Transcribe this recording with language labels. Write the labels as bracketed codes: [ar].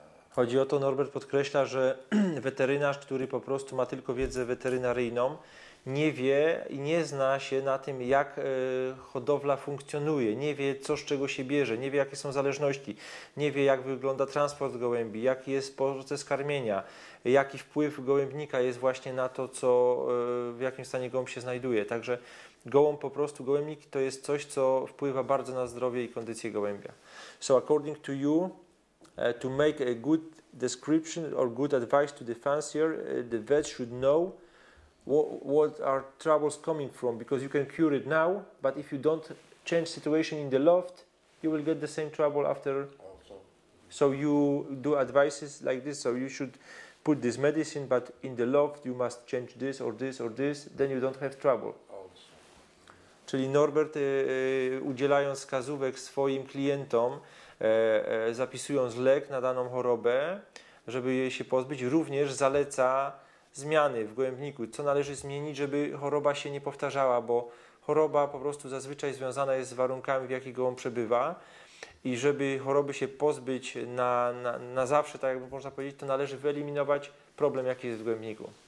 [pl] Chodzi o to, Norbert podkreśla, że weterynarz, który po prostu ma tylko wiedzę weterynaryjną, nie wie i nie zna się na tym, jak hodowla funkcjonuje, nie wie, co z czego się bierze, nie wie, jakie są zależności, nie wie, jak wygląda transport gołębi, jaki jest proces karmienia, jaki wpływ gołębnika jest właśnie na to, co w jakim stanie gołąb się znajduje. Także gołąb po prostu, gołębnik to jest coś, co wpływa bardzo na zdrowie i kondycję gołębia. [en] So according to you, to make a good description or good advice to the fancier, the vet should know what are troubles coming from, because you can cure it now, but if you don't change situation in the loft, you will get the same trouble after. Also. So you do advices like this, so you should put this medicine, but in the loft you must change this or this or this, then you don't have trouble. Also. [pl] Czyli Norbert udzielając wskazówek swoim klientom, zapisując lek na daną chorobę, żeby jej się pozbyć, również zaleca zmiany w gołębniku, co należy zmienić, żeby choroba się nie powtarzała, bo choroba po prostu zazwyczaj związana jest z warunkami, w jakich gołąb przebywa i żeby choroby się pozbyć na zawsze, tak jakby można powiedzieć, to należy wyeliminować problem, jaki jest w gołębniku.